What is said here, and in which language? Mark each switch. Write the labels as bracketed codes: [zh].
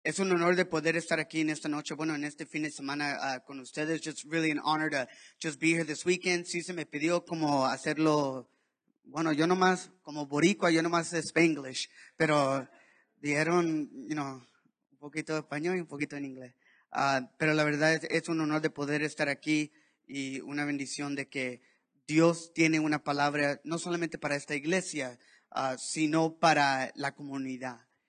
[es] Es un honor de poder estar aquí en esta noche, bueno, en este fin de semana con ustedes. [en] Just really an honor to just be here this weekend. [es] Sí, se me pidió como hacerlo, bueno, yo nomás, como boricua, yo nomás Spanglish. Pero dieron, [en] you know, [es] un poquito de español y un poquito en inglés. Pero la verdad es un honor de poder estar aquí y una bendición de que Dios tiene una palabra, no solamente para esta iglesia, sino para la comunidad.